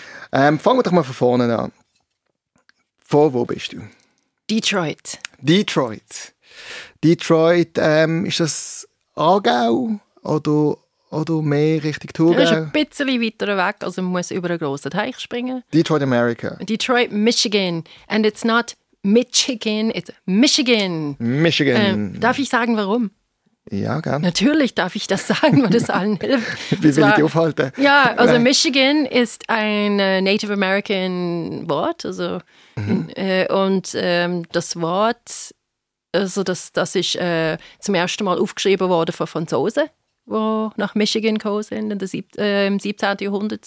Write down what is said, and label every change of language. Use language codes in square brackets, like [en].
[de] Fangen wir doch mal von vorne an. Von wo bist du? Detroit. Detroit. Detroit, ist das Aargau oder mehr Richtung Thurgau? Das ist ein bisschen weiter weg, also man muss über einen grossen Teich springen. Detroit, America. Detroit, Michigan. [en] And it's not Michigan, it's Michigan. Michigan. [de] Darf ich sagen, warum? Ja, gerne. Natürlich darf ich das sagen, weil das allen hilft. Wie will ich dich aufhalten? Ja, also Michigan ist ein Native American Wort. Also, das Wort, also das ist zum ersten Mal aufgeschrieben worden von Franzosen, die nach Michigan gekommen sind im 17. Jahrhundert.